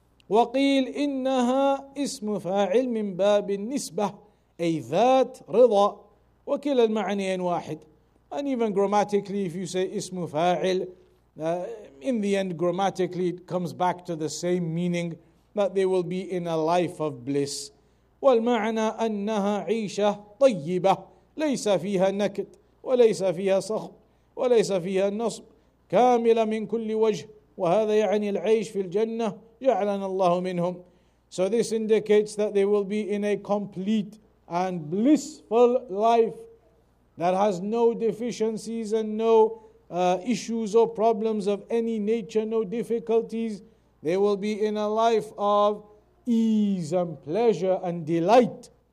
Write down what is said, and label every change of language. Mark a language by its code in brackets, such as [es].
[ar] وَقِيلْ إِنَّهَا إِسْمُ فَاعِلْ مِنْ بَابِ النِّسْبَةِ أَيْ ذَاتْ رِضَى وَكِلَ الْمَعْنِيَنْ وَاحِدٍ. [en] And even grammatically, if you say إِسْمُ فَاعِلْ, in the end grammatically it comes back to the same meaning, that they will be in a life of bliss. [ar] والمعنى أنها عيشة طيبة ليس فيها نكد وليس فيها صخب وليس فيها نصب كاملة من كل وجه وهذا يعني العيش في الجنة جعلنا الله منهم. [en] So this indicates that they will be in a complete and blissful life that has no deficiencies and no issues or problems of any nature, no difficulties. They will be in a life of ease and pleasure and delight.